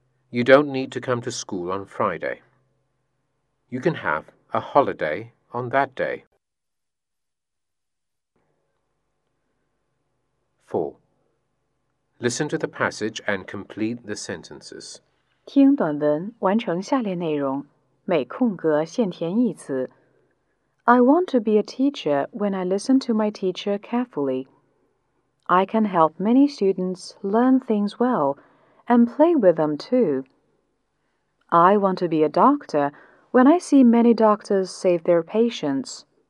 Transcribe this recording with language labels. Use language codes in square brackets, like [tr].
[en] You don't need to come to school on Friday. You can have a holiday on that day. 4. Listen to the passage and complete the sentences. [zh] 听短文，完成下列内容，每空格现填一词。 [en] I want to be a teacher when I listen to my teacher carefully. I can help many students learn things well and play with them too. I want to be a doctor when I see many doctors save their patients.